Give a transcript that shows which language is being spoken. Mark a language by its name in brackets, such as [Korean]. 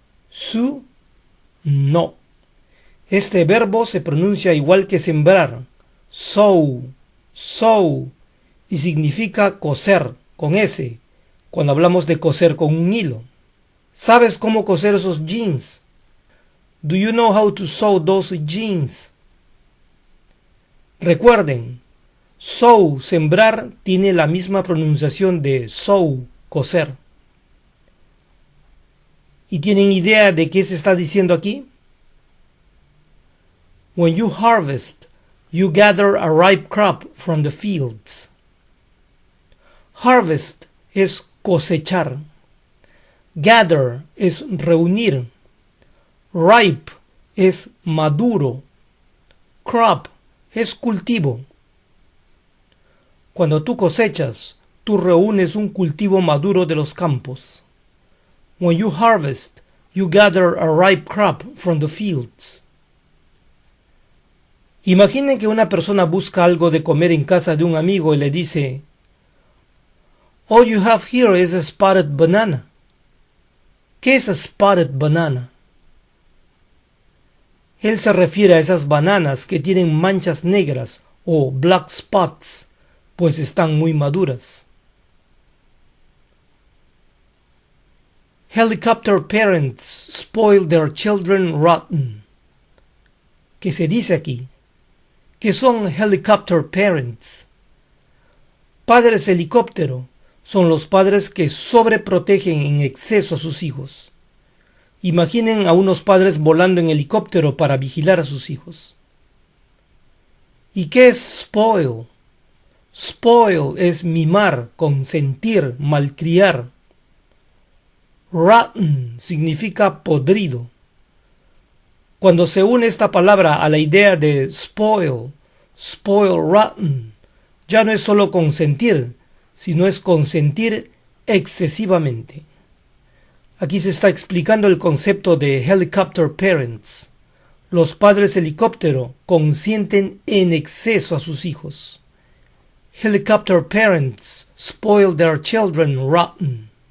[Spanish] Su, no. Este verbo se pronuncia igual que sembrar. Sow, sow. Y significa coser, con S, cuando hablamos de coser con un hilo. ¿Sabes cómo coser esos jeans? [English] Do you know how to sew those jeans? [Spanish] Recuerden, sow, sembrar, tiene la misma pronunciación de sow, coser. ¿Y tienen idea de qué se está diciendo aquí? [English] When you harvest, you gather a ripe crop from the fields. [Spanish] Harvest es cosechar. Gather es reunir. Ripe es maduro. Crop es cultivo. Cuando tú cosechas, tú reúnes un cultivo maduro de los campos. [English] When you harvest, you gather a ripe crop from the fields. [Spanish] Imaginen que una persona busca algo de comer en casa de un amigo y le dice, [English] All you have here is a spotted banana. [Spanish] ¿Qué es a spotted banana? Él se refiere a esas bananas que tienen manchas negras o black spots, pues están muy maduras. [English] Helicopter parents spoil their children rotten. [Spanish] ¿Qué se dice aquí? ¿Qué son helicopter parents? Padres helicóptero son los padres que sobreprotegen en exceso a sus hijos. Imaginen a unos padres volando en helicóptero para vigilar a sus hijos. ¿Y qué es spoil? Spoil es mimar, consentir, malcriar. Rotten significa podrido. Cuando se une esta palabra a la idea de spoil, spoil rotten, ya no es solo consentir, sino es consentir excesivamente. Aquí se está explicando el concepto de helicopter parents. Los padres helicóptero consienten en exceso a sus hijos. [English] Helicopter parents spoil their children rotten.